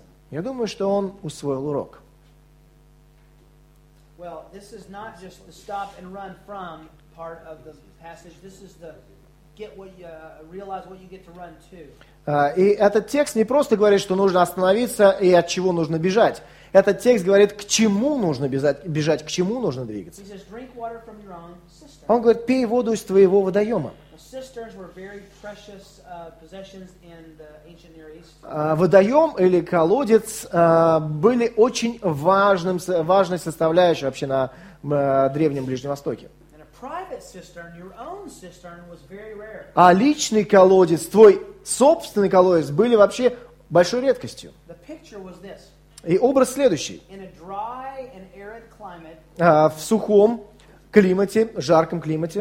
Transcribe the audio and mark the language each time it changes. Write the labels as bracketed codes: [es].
[ru] Я думаю, что он усвоил урок. [en] Well, this is not just the stop and run from part of the passage. This is the get what you realize what you get to run to. [ru] И этот текст не просто говорит, что нужно остановиться и от чего нужно бежать. Этот текст говорит, к чему нужно бежать, к чему нужно двигаться. [en] He says, drink water from your own cistern. [ru] Он говорит, пей воду из твоего водоема. [en] Cisterns were very precious possessions in the ancient Near East. [ru] Водоем или колодец были очень важным, важной составляющей вообще на древнем Ближнем Востоке. [en] And a private cistern, your own cistern, was very rare. [ru] А личный колодец, твой собственный колодец, были вообще большой редкостью. [en] The picture was this. [ru] И образ следующий. [en] In a dry and arid climate. [ru] В сухом климате, жарком климате.